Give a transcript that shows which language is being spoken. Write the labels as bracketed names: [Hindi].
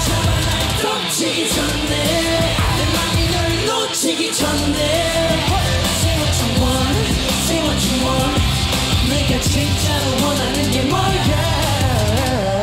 [Korean] 잡아 날 덮치기 전에 내 맘이 널 놓치기 전에. [English] Say what you want, say what you want. [Korean] 내가 진짜로 원하는 게 뭐야?